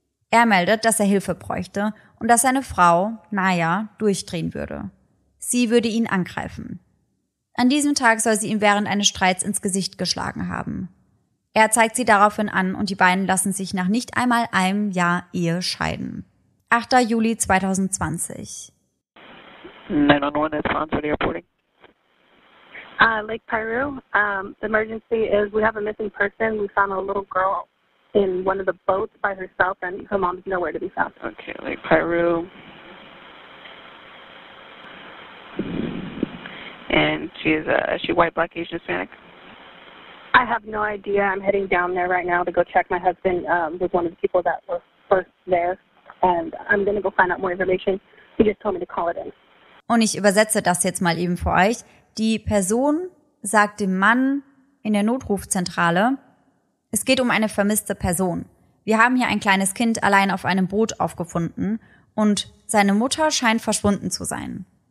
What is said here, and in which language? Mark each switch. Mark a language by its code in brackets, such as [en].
[de] Er meldet, dass er Hilfe bräuchte und dass seine Frau, Naya, durchdrehen würde. Sie würde ihn angreifen. An diesem Tag soll sie ihm während eines Streits ins Gesicht geschlagen haben. Er zeigt sie daraufhin an und die beiden lassen sich nach nicht einmal einem Jahr Ehe scheiden. 8. Juli 2020. [en] 911, that's on for the reporting. Lake Piru, the emergency is we have a missing person. We found a little girl in one of the boats by herself and her mom's nowhere to be found. Okay, Lake Piru. And she's is she white, black, Asian, Hispanic? I have no idea. I'm heading down there right now to go check. My husband was one of the people that were first there and I'm going to go find out more information. He just told me to call it in. [de] Und ich übersetze das jetzt mal eben für euch. Die Person sagt dem Mann in der Notrufzentrale: Es geht um eine vermisste Person. Wir haben hier ein kleines Kind allein auf einem Boot aufgefunden und seine Mutter scheint verschwunden zu sein.